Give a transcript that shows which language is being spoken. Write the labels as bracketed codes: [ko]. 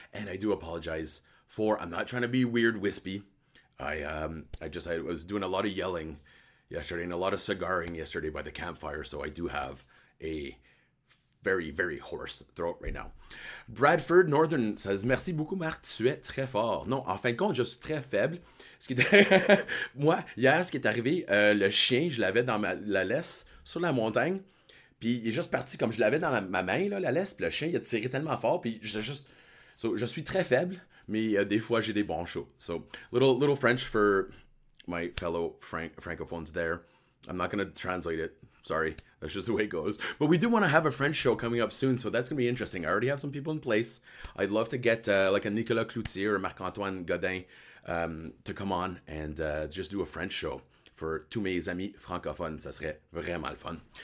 [en] And I do apologize for, I'm not trying to be weird wispy. I was doing a lot of yelling yesterday and a lot of cigarring yesterday by the campfire. So I do have a very, very hoarse throat right now. Bradford Northern says, [fr] merci beaucoup, Marc. Tu es très fort. Non, en fin de compte, je suis très faible. Ce qui était... Moi, hier, ce qui est arrivé, le chien, je l'avais dans la laisse sur la montagne. Puis il est juste parti comme je l'avais dans ma main, là, la laisse. Puis le chien, il a tiré tellement fort. Puis j'étais juste. So, je suis très faible, mais des fois, j'ai des bons shows. [en] So, little French for my fellow francophones there. I'm not going to translate it. Sorry. That's just the way it goes. But we do want to have a French show coming up soon. So that's going to be interesting. I already have some people in place. I'd love to get like a Nicolas Cloutier or Marc-Antoine Godin to come on and just do a French show for [fr] tous mes amis francophones. Ça serait vraiment le fun.